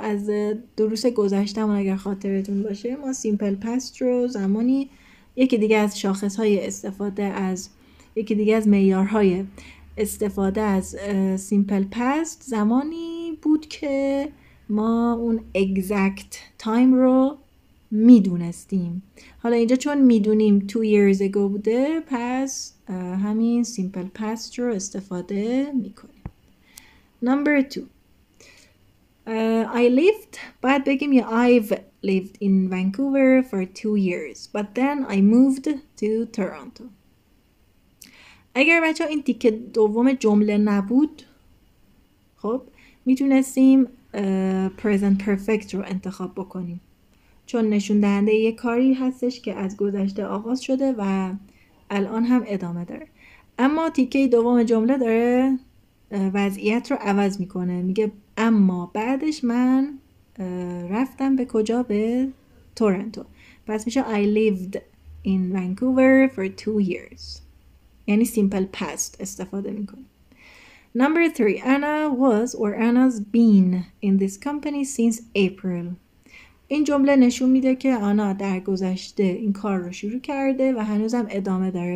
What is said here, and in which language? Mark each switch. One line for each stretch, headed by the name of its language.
Persian: از دروس گذشتمون اگر خاطرتون باشه ما simple past رو زمانی یکی دیگه از شاخصهای استفاده از یکی دیگه از معیارهای استفاده از simple past زمانی بود که ما اون exact time رو میدونستیم. حالا اینجا چون میدونیم 2 years ago بوده پس همین simple past رو استفاده میکنیم.
English: Number 2 I lived
Persian: باید بگیم یا
English: I've lived in Vancouver for 2 years but then I moved to Toronto.
Persian: اگر بچه ها این تیکه دوم جمله نبود خب میتونستیم present perfect رو انتخاب بکنیم چون نشون دهنده یک کاری هستش که از گذشته آغاز شده و الان هم ادامه داره. اما تیکه دوم جمله داره وضعیت رو عوض میکنه، میگه اما بعدش من رفتم به کجا؟ به تورنتو.
English: پس میشه I lived in Vancouver for 2 years.
Persian: یعنی simple past استفاده میکنه.
English: Number 3. Anna was or Anna's been in this company since April.
Persian: این جمله نشون میده که آنا در گذشته این کار رو شروع کرده و هنوزم ادامه داره.